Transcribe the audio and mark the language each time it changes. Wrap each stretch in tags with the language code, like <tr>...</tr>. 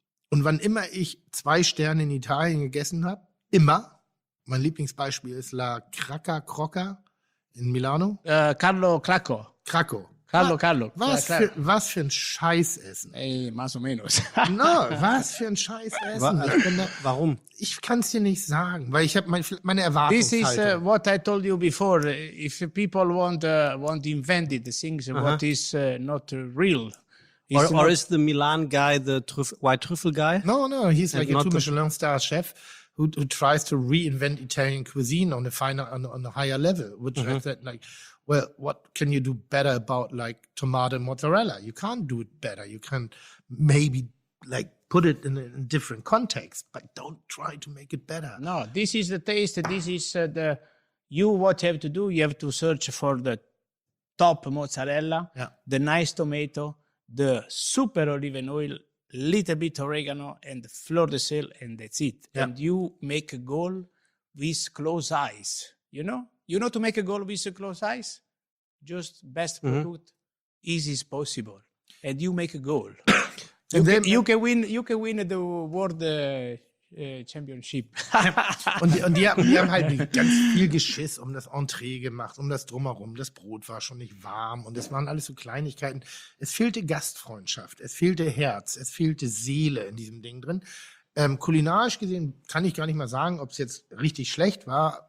<de>Und wann immer ich 2 Sterne in Italien gegessen habe, immer, mein Lieblingsbeispiel ist La Cracca Crocca in Milano. Carlo Cracco. Cracco. Carlo, Carlo. Was für ein Scheißessen.</de> <es>Ey, más o menos.</es> <de>No, was für ein Scheißessen. Warum? Ich kann es dir nicht sagen, weil ich habe meine Erwartungshaltung.</de> <en>This is what I told you before. If people want invented things, what is not real. Or is the Milan guy the white truffle guy? No. He's like a 2 Michelin star chef who tries to reinvent Italian cuisine on a finer, on a higher level, which I said, like, well, what can you do better about like tomato and mozzarella? You can't do it better. You can maybe like put it in a different context, but don't try to make it better. No, this is the taste. This is what you have to do. You have to search for the top mozzarella, the nice tomato, the super olive oil, little bit oregano and fleur de sel, and that's it. Yeah. And you make a goal with close eyes, you know? You know, to make a goal with a close eyes, just best product, easy as possible, and you make a goal. you can win the world championship.</en> <de>und die haben halt ganz viel Geschiss um das Entree gemacht, um das Drumherum. Das Brot war schon nicht warm und es waren alles so Kleinigkeiten. Es fehlte Gastfreundschaft, es fehlte Herz, es fehlte Seele in diesem Ding drin. Kulinarisch gesehen kann ich gar nicht mal sagen, ob es jetzt richtig schlecht war.</de>